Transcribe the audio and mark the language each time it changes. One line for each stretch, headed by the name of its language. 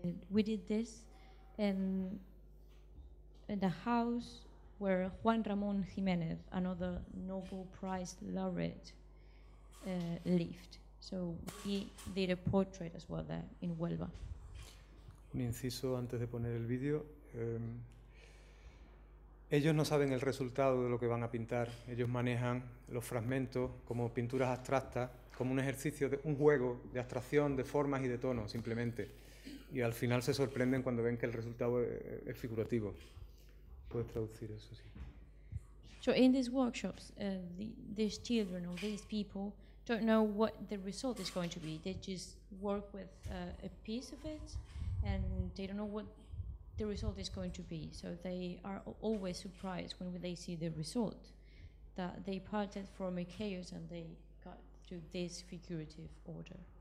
English: We did this in the house where Juan Ramón Jiménez, another Nobel Prize laureate, lived. So he did a portrait as well there in Huelva.
Spanish: Un inciso antes de poner el vídeo. Ellos no saben el resultado de lo que van a pintar. Ellos manejan los fragmentos como pinturas abstractas, como un ejercicio, un juego de abstracción, de formas y de tono, simplemente. Y al final se sorprenden cuando ven que el resultado es figurativo. Puedes traducir eso, sí.
English: So in these workshops, these children or these people don't know what the result is going to be. They just work with a piece of it, and they don't know what the result is going to be. So they are always surprised when they see the result, that they parted from a chaos and they got to this figurative order.